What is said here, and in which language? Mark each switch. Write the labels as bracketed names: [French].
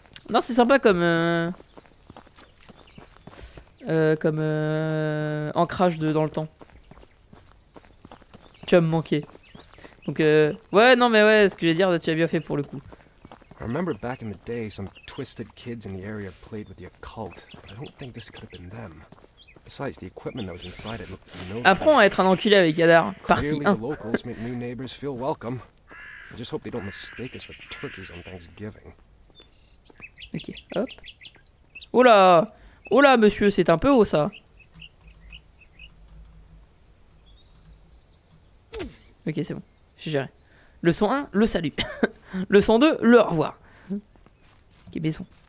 [French] Non, c'est sympa comme. Ancrage dans le temps. Tu vas me manquer. Donc, ouais, non, mais ouais, ce que je voulais dire, tu as bien fait pour le coup. [English] I remember back in the day, some twisted kids in the area played with the occult. I don't think this could have been them. Besides, the equipment that was inside it looked familiar. [French] Apprends à être un enculé avec Yadar. Partie 1. [English] Clearly, the locals make new neighbors feel welcome. I just hope they don't mistake us for turkeys on Thanksgiving. [French] Ok, hop. Oula, oula, monsieur, c'est un peu haut, ça. Ok, c'est bon. J'ai géré. Leçon 1, le salut. Leçon 2, le au revoir. Ok, maison.